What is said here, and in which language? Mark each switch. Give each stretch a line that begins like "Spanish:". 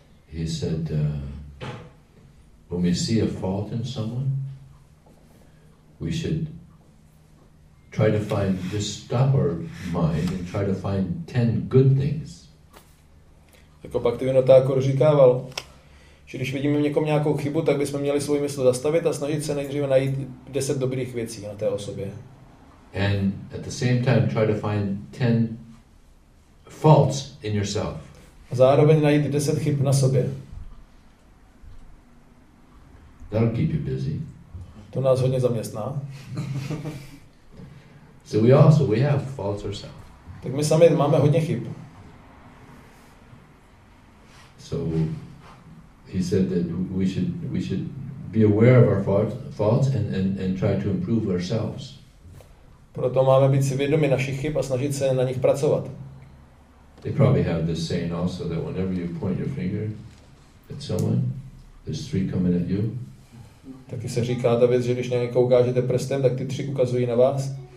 English: When we see a fault in someone, we should try to find, just stop our mind and try to find 10 good things.
Czech: Jako Bhaktivinoda Thakur říkával, že když vidíme v někom nějakou chybu, tak bychom měli svůj mysl zastavit a snažit se nejdříve najít 10 dobrých věcí na té osobě.
English: And at the same time try to find 10 faults in yourself.
Czech: A zároveň najít 10 chyb na sobě.
English: That'll keep you busy.
Czech: To nás hodně zaměstná.
English: So we have faults ourselves.
Czech: Tak my sami máme hodně chyb.
English: So he said that we should be aware of our faults and try to improve ourselves.
Czech: Proto máme být si vědomi našich chyb a snažit se na nich pracovat.
English: They probably have this saying also that whenever you point your finger at someone, there's three coming at you.
Czech: Taky se říká ta věc, že když na někoho ukážete prstem, tak ty tři ukazují na vás.